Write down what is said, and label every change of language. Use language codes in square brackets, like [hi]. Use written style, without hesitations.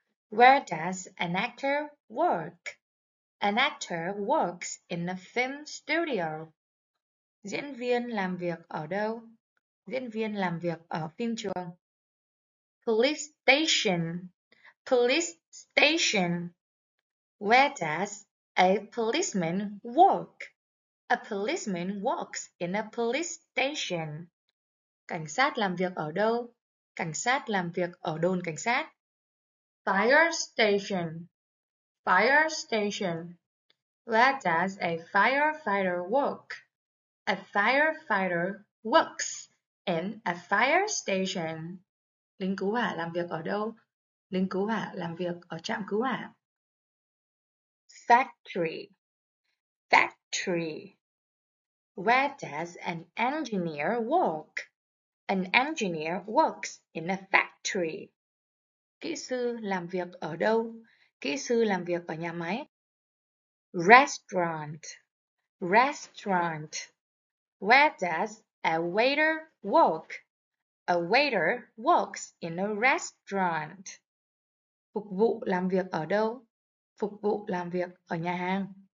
[en] Where does an actor work? An actor works in a film studio. [vi] Diễn viên làm việc ở đâu? Diễn viên làm việc ở phim trường. [en] Police station. Police station. Where does a policeman work? A policeman works in a police station. [vi] Cảnh sát làm việc ở đâu? Cảnh sát làm việc ở đồn cảnh sát. [en] Fire station. Fire station. Where does a firefighter work? A firefighter works in a fire station. [vi] Lính cứu hỏa làm việc ở đâu? Lính cứu hỏa làm việc ở trạm cứu hỏa. [en] Factory. Factory. Where does an engineer work? An engineer works in a factory. [vi] Kỹ sư làm việc ở đâu? Kỹ sư làm việc ở nhà máy. [en] Restaurant. Restaurant. Where does a waiter work? A waiter works in a restaurant. [vi] Phục vụ làm việc ở đâu? Phục vụ làm việc ở nhà hàng.